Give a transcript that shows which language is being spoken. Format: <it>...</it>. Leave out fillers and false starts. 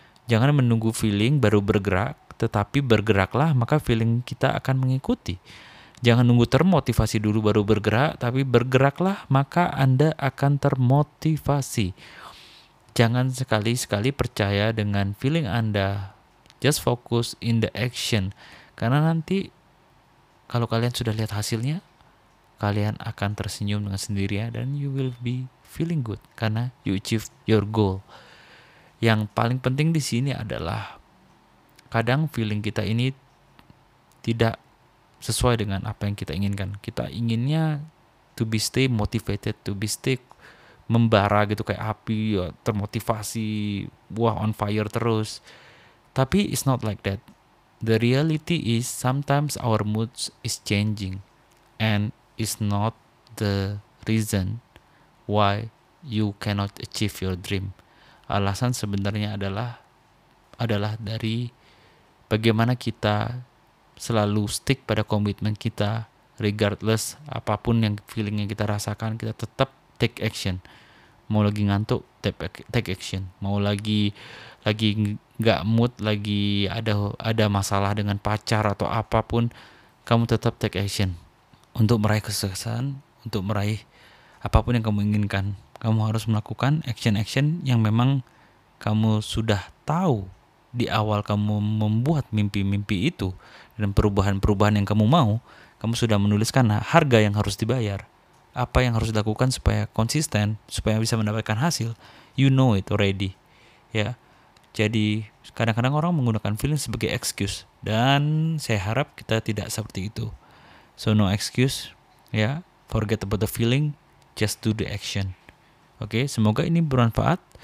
<id>Jangan menunggu feeling baru bergerak, tetapi bergeraklah, maka feeling kita akan mengikuti. Jangan nunggu termotivasi dulu baru bergerak, tapi bergeraklah, maka Anda akan termotivasi. Jangan sekali-sekali percaya dengan feeling Anda.</id> <en>Just focus in the action.</en> <id>Karena nanti kalau kalian sudah lihat hasilnya, kalian akan tersenyum dengan sendirinya dan you will be feeling good karena you achieve your goal. Yang paling penting di sini adalah kadang feeling kita ini tidak sesuai dengan apa yang kita inginkan. Kita inginnya to be stay motivated, to be stay membara gitu kayak api, termotivasi, wah on fire terus.</id> <en>Tapi it's not like that. The reality is sometimes our moods is changing and it's not the reason why you cannot achieve your dream.</en> <id>Alasan sebenarnya adalah dari bagaimana kita selalu stick pada komitmen kita regardless apapun yang feeling yang kita rasakan, kita tetap take action. Mau lagi ngantuk, take action. Mau lagi gak mood, lagi ada masalah dengan pacar atau apapun, kamu tetap take action. Untuk meraih kesuksesan, untuk meraih apapun yang kamu inginkan, kamu harus melakukan action-action yang memang kamu sudah tahu di awal kamu membuat mimpi-mimpi itu dan perubahan-perubahan yang kamu mau. Kamu sudah menuliskan harga yang harus dibayar, apa yang harus dilakukan supaya konsisten, supaya bisa mendapatkan hasil. You know it already. Ya. Jadi kadang-kadang orang menggunakan feeling sebagai excuse dan saya harap kita tidak seperti itu.</id> <en>So no excuse, ya. Forget about the feeling, just do the action.</en> <id>Oke, semoga ini bermanfaat.</id>